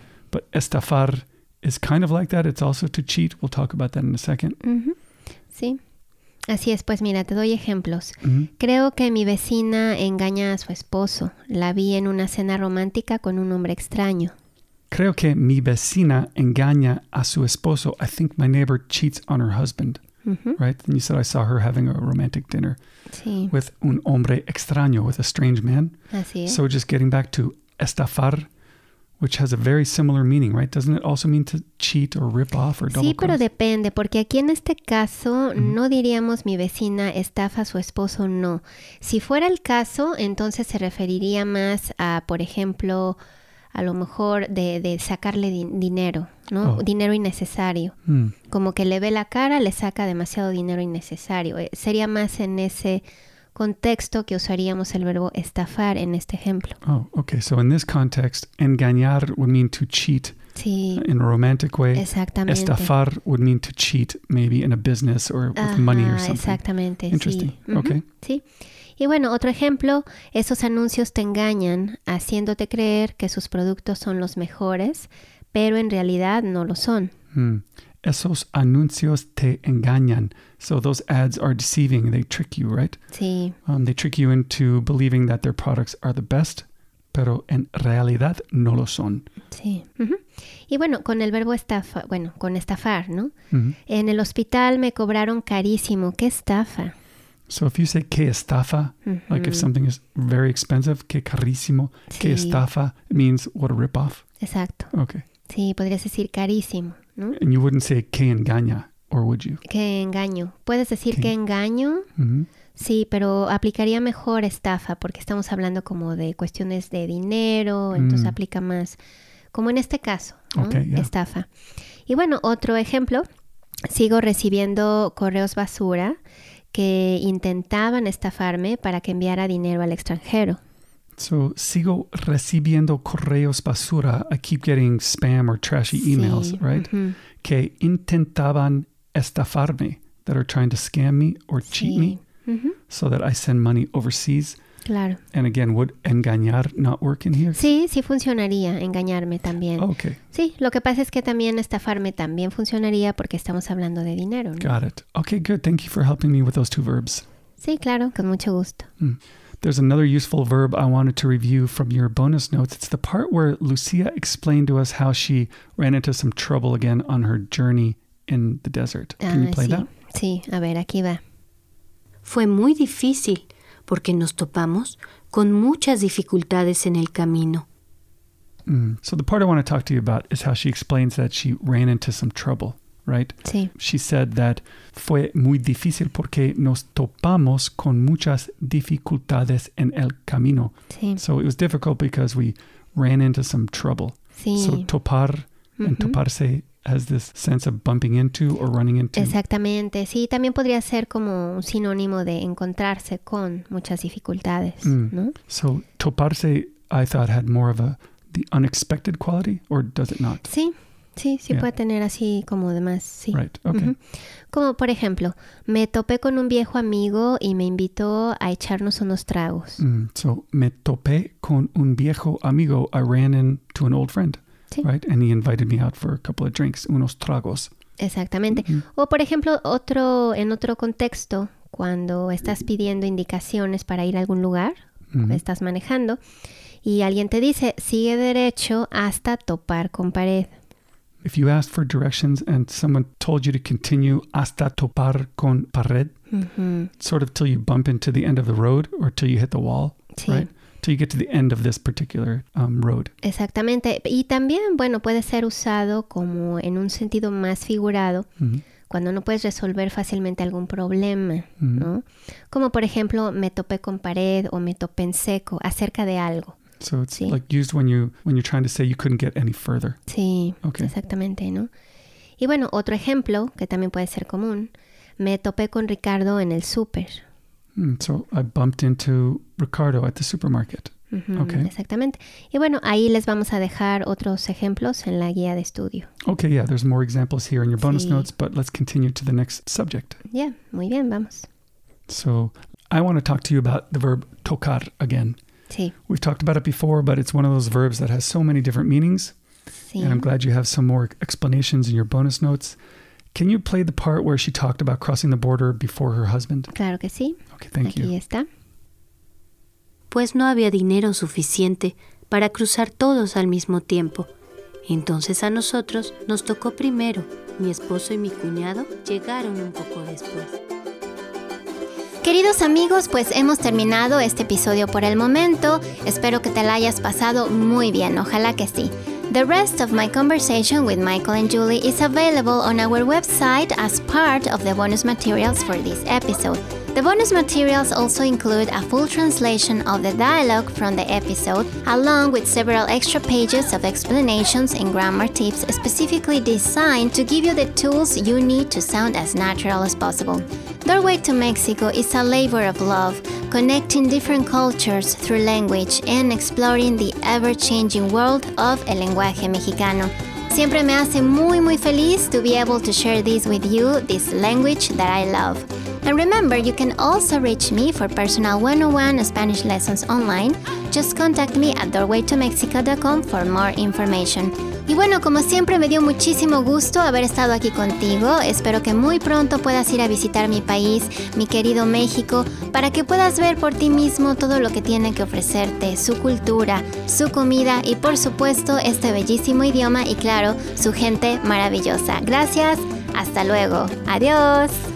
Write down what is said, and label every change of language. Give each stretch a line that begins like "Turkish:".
English: But estafar is kind of like that. It's also to cheat. We'll talk about that in a second.
Spanish: Sí. Así es, pues mira, te doy ejemplos. Uh-huh. Creo que mi vecina engaña a su esposo. La vi en una cena romántica con un hombre extraño. Creo que mi vecina engaña a su esposo.
English: I think my neighbor cheats on her husband. Uh-huh. Right? And you said I saw her having a romantic dinner.
Spanish: Sí.
English: With
Spanish: un hombre extraño,
English: with a strange man.
Spanish: Así es.
English: So just getting back to estafar, which has a very similar meaning, right? Doesn't it also mean to cheat or rip off or double cross?
Spanish: Sí, pero depende, porque aquí en este caso no diríamos mi vecina estafa a su esposo, no. Si fuera el caso, entonces se referiría más a, por ejemplo, a lo mejor de sacarle dinero, ¿no? Oh. Dinero innecesario. Mm. Como que le ve la cara, le saca demasiado dinero innecesario. Sería más en ese contexto que usaríamos el verbo estafar en este ejemplo.
English: Oh, okay. So in this context, engañar would mean to cheat.
Spanish: Sí.
English: In a romantic way.
Spanish: Exactamente.
English: Estafar would mean to cheat maybe in a business or with money or something.
Spanish: Exactamente.
English: Interesting.
Spanish: Sí.
English: Okay.
Spanish: Sí. Y bueno, otro ejemplo, esos anuncios te engañan haciéndote creer que sus productos son los mejores, pero en realidad no lo son. Hmm. Esos anuncios te engañan.
English: So those ads are deceiving. They trick you, right?
Spanish: Sí.
English: They trick you into believing that their products are the best,
Spanish: pero en realidad no lo son. Sí. Uh-huh. Y bueno, con el verbo estafa, bueno, con estafar, ¿no? Uh-huh. En el hospital me cobraron carísimo. ¿Qué estafa?
English: So if you say
Spanish: que estafa,
English: mm-hmm. like if something is very expensive,
Spanish: que carísimo, sí. que estafa,
English: it means what a ripoff.
Spanish: Exacto.
English: Okay.
Spanish: Sí, podrías decir carísimo, ¿no?
English: And you wouldn't say
Spanish: que engaña,
English: or would you?
Spanish: Que engaño. Puedes decir que engaño, mm-hmm. sí, pero aplicaría mejor estafa, porque estamos hablando como de cuestiones de dinero, entonces aplica más, como en este caso, ¿no?
English: Okay, yeah.
Spanish: Estafa. Y bueno, otro ejemplo, sigo recibiendo correos basura que intentaban estafarme para que enviara dinero al extranjero. So, sigo recibiendo correos basura.
English: I keep getting spam or trashy emails,
Spanish: sí.
English: right? Mm-hmm.
Spanish: Que intentaban estafarme,
English: that are trying to scam me or cheat me, mm-hmm. so that I send money overseas.
Spanish: Claro.
English: And again, would engañar not work in here?
Spanish: Sí, sí funcionaría engañarme también.
English: Oh, okay.
Spanish: Sí, lo que pasa es que también estafarme también funcionaría porque estamos hablando de dinero, ¿no?
English: Got it. Okay, good. Thank you for helping me with those two verbs.
Spanish: Sí, claro, con mucho gusto.
English: Mm. There's another useful verb I wanted to review from your bonus notes. It's the part where Lucia explained to us how she ran into some trouble again on her journey in the desert. Can you play
Spanish: sí.
English: that?
Spanish: Sí, a ver, aquí va. Fue muy difícil. Porque nos topamos con muchas dificultades en el camino. Mm.
English: So the part I want to talk to you about is how she explains that she ran into some trouble, right?
Spanish: Sí.
English: She said that
Spanish: fue muy difícil porque nos topamos con muchas dificultades en el camino. Sí.
English: So it was difficult because we ran into some trouble.
Spanish: Sí.
English: So topar mm-hmm. and toparse has this sense of bumping into or running into.
Spanish: Exactamente. Sí, también podría ser como un sinónimo de encontrarse con muchas dificultades, mm. ¿no?
English: So, toparse, I thought, had more of the unexpected quality, or does it not?
Spanish: Sí, sí, sí
English: yeah.
Spanish: puede tener así como demás, sí.
English: Right, okay. Mm-hmm.
Spanish: Como, por ejemplo, me topé con un viejo amigo y me invitó a echarnos unos tragos.
English: Mm. So,
Spanish: me topé con un viejo amigo,
English: I ran into an old friend.
Spanish: Sí.
English: Right, and he invited me out for a couple of drinks,
Spanish: unos tragos. Exactamente. Mm-hmm. O por ejemplo, otro en otro contexto, cuando estás pidiendo indicaciones para ir a algún lugar, mm-hmm. estás manejando y alguien te dice, "Sigue derecho hasta topar con pared." If you asked for directions and someone told you to continue hasta topar con pared, mm-hmm.
English: sort of till you bump into the end of the road or till you hit the wall,
Spanish: sí.
English: right? Till you get to the end of this particular road.
Spanish: Exactamente. Y también, bueno, puede ser usado como en un sentido más figurado mm-hmm. cuando no puedes resolver fácilmente algún problema, mm-hmm. ¿no? Como, por ejemplo, me topé con pared o me topé en seco acerca de algo.
English: So it's
Spanish: ¿sí?
English: like used when you're trying to say you couldn't get any further.
Spanish: Sí,
English: okay.
Spanish: exactamente, ¿no? Y bueno, otro ejemplo que también puede ser común. Me topé con Ricardo en el súper.
English: So I bumped into Ricardo at the supermarket. Mm-hmm, okay.
Spanish: Exactamente. Y bueno, ahí les vamos a dejar otros ejemplos en la guía de estudio.
English: Okay, yeah, there's more examples here in your bonus
Spanish: sí.
English: notes, but let's continue to the next subject. Yeah,
Spanish: muy bien, vamos.
English: So I want to talk to you about the verb tocar again.
Spanish: Sí.
English: We've talked about it before, but it's one of those verbs that has so many different meanings.
Spanish: Sí.
English: And I'm glad you have some more explanations in your bonus notes. Can you play the part where she talked about crossing the border before her husband?
Spanish: Claro que sí.
English: Okay, thank you.
Spanish: Aquí está. Pues no había dinero suficiente para cruzar todos al mismo tiempo. Entonces a nosotros nos tocó primero. Mi esposo y mi cuñado llegaron un poco después. Queridos amigos, pues hemos terminado este episodio por el momento. Espero que te la hayas pasado muy bien. Ojalá que sí.
English: The rest of my conversation with Michael and Julie is available on our website as part of the bonus materials for this episode. The bonus materials also include a full translation of the dialogue from the episode, along with several extra pages of explanations and grammar tips specifically designed to give you the tools you need to sound as natural as possible. Doorway to Mexico is a labor of love, connecting different cultures through language and exploring the ever-changing world of
Spanish: el lenguaje mexicano. Siempre me hace muy, muy feliz
English: to be able to share this with you, this language that I love. And remember, you can also reach me for personal 101 Spanish lessons online. Just contact me at doorwaytomexico.com for more information.
Spanish: Y bueno, como siempre, me dio muchísimo gusto haber estado aquí contigo. Espero que muy pronto puedas ir a visitar mi país, mi querido México, para que puedas ver por ti mismo todo lo que tiene que ofrecerte, su cultura, su comida y, por supuesto, este bellísimo idioma y, claro, su gente maravillosa. Gracias, hasta luego. Adiós.